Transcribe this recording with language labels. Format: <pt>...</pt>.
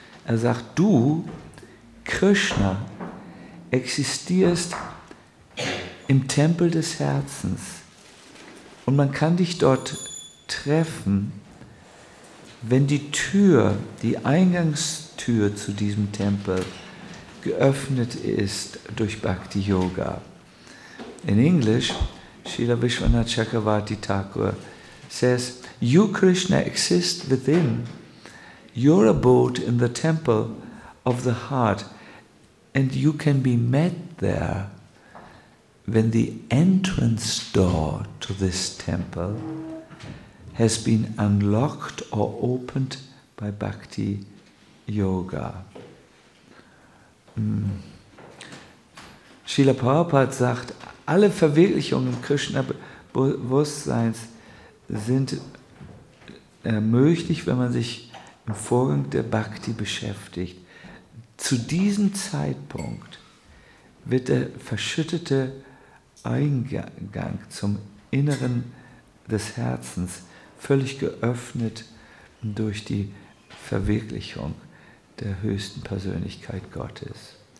<de>Er sagt, du, Krishna, existierst im Tempel des Herzens. Und man kann dich dort treffen, wenn die Tür, die Eingangstür zu diesem Tempel, geöffnet ist durch Bhakti Yoga. In Englisch,</de> <en>Srila Vishwanath Chakravarti Thakur says, you, Krishna, exist within your abode in the temple of the heart, and you can be met there when the entrance door to this temple has been unlocked or opened by Bhakti Yoga.</en> <de>Srila Prabhupada sagt, alle Verwirklichungen Krishna-Bewusstseins sind möglich, wenn man sich im Vorgang der Bhakti beschäftigt. Zu diesem Zeitpunkt wird der verschüttete Eingang zum Inneren des Herzens völlig geöffnet durch die Verwirklichung der höchsten Persönlichkeit Gottes.</de>